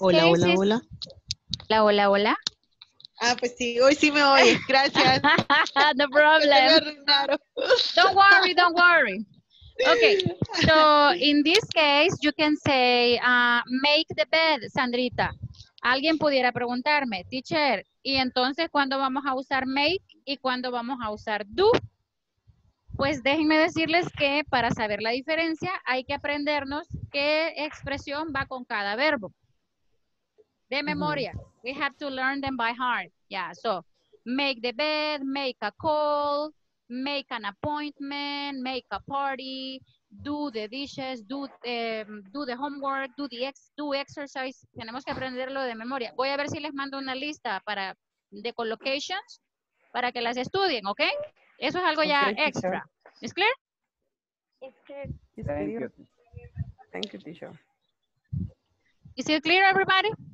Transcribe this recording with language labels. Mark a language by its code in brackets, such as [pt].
[es] Hola, hola, hola. Hola, hola, hola. Ah, pues sí, hoy sí me oye. Gracias. [en] No problem. Don't worry, don't worry. Okay, so in this case, you can say, make the bed, Sandrita. [es] Alguien pudiera preguntarme, teacher, ¿y entonces cuándo vamos a usar make y cuándo vamos a usar do? Pues déjenme decirles que para saber la diferencia, hay que aprendernos qué expresión va con cada verbo. De memoria. [en] We have to learn them by heart. Yeah, so make the bed, make a call, make an appointment, make a party, do the dishes, do the homework, do exercise. [es] Tenemos que aprenderlo de memoria. Voy a ver si les mando una lista para de collocations para que las estudien, ¿ok? Eso es algo ya extra. ¿Es clear? [en] It's clear. Thank you, teacher. Is it clear, everybody?